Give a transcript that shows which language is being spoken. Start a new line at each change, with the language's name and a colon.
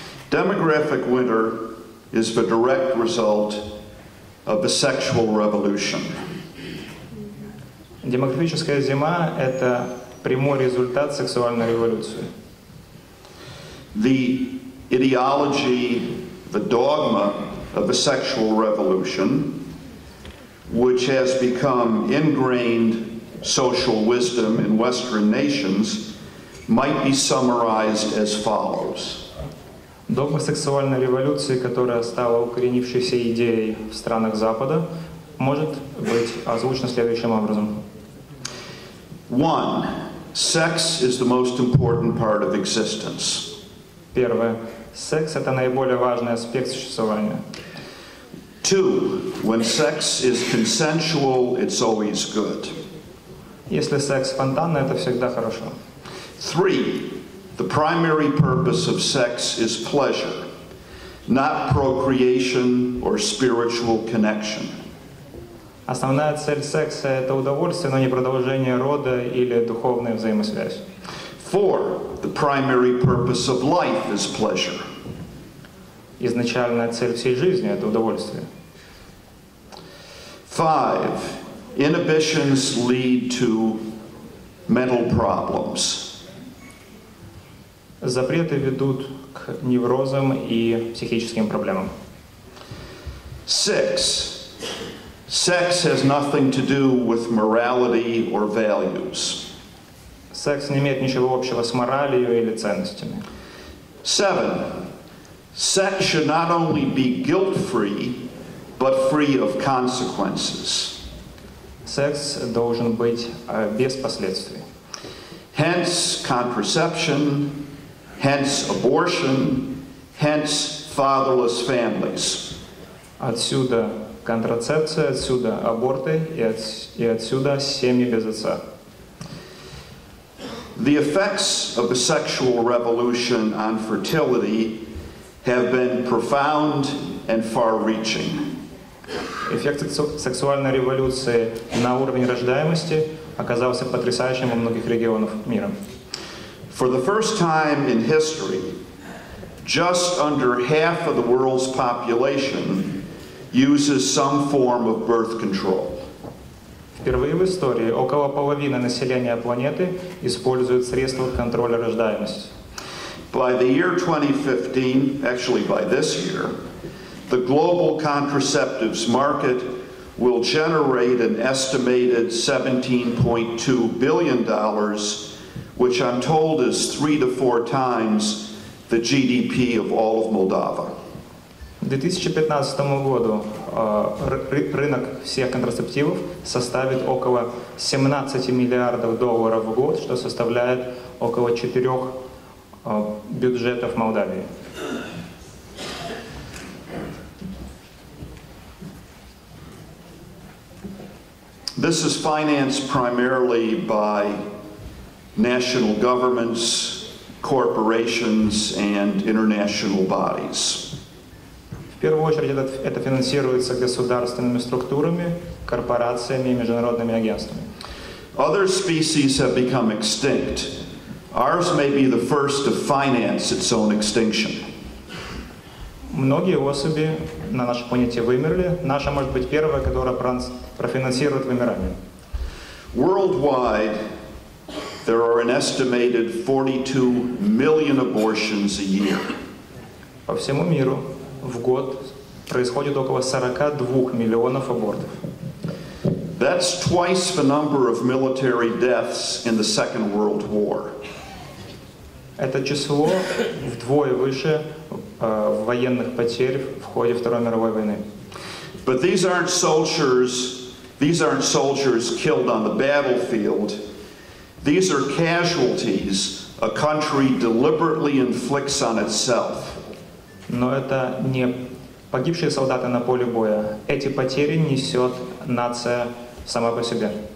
English: Demographic winter is the direct result of the sexual revolution.
Russian: Демографическая зима – это прямой результат сексуальной революции.
English: The ideology, the dogma of the sexual revolution, which has become ingrained social wisdom in Western nations, might be summarized as follows.
Russian: Догма сексуальной революции, которая стала укоренившейся идеей в странах Запада, может быть озвучена следующим образом.
English: One, sex is the most important part of existence.
Russian: Первое. Секс – это наиболее важный аспект существования.
English: Two, when sex is consensual, it's always good.
Russian: Если секс спонтанный, это всегда хорошо.
English: Three, the primary purpose of sex is pleasure, not procreation or spiritual connection.
Russian: Основная цель секса – это удовольствие, но не продолжение рода или духовная взаимосвязь.
English: Four, the primary purpose of life is pleasure.
Russian: Изначальная цель всей жизни – это удовольствие.
English: Five, inhibitions lead to mental problems.
Russian: Запреты ведут к неврозам и психическим проблемам.
English: Six. Sex has nothing to do with morality or values.
Russian: Секс не имеет ничего общего с моралью или ценностями.
English: Seven. Sex should not only be guilt-free, but free of consequences.
Russian: Секс должен быть без последствий.
English: Hence contraception, hence abortion, hence fatherless families.
Russian: Отсюда контрацепция, отсюда аборты и отсюда семьи без отца.
English: The effects of the sexual revolution on fertility have been profound and far-reaching.
Russian: Эффект сексуальной революции на уровень рождаемости оказался потрясающим во многих регионах мира.
English: For the first time in history, just under half of the world's population uses some form of birth control.
Russian: Впервые в истории около половины населения планеты используют средства контроля рождаемости.
English: By the year 2015, actually by this year, the global contraceptives market will generate an estimated $17.2 billion, which I'm told is 3 to 4 times the GDP of all of Moldova.
Russian: В 2015 году рынок всех контрацептивов составит около 17 миллиардов долларов в год, что составляет около 4 бюджетов Молдавии.
English: This is financed primarily by national governments, corporations, and international bodies.
Russian: В первую очередь это финансируется государственными структурами, корпорациями и международными агентствами.
English: Other species have become extinct. Ours may be the first to finance its own extinction.
Russian: Многие особи на нашей планете вымерли. Наша может быть первая, которая профинансирует вымирание.
English: Worldwide, there are an estimated 42 million abortions a year.
Russian: По всему миру в год происходит около 42 миллионов абортов.
English: That's twice the number of military deaths in the Second World War.
Russian: Это число вдвое выше военных потерь в ходе Второй мировой войны.
English: But these aren't soldiers These aren't soldiers killed on the battlefield. These are casualties a country deliberately inflicts on itself.
Russian: Но это не погибшие солдаты на поле боя. Эти потери несет нация сама по себе.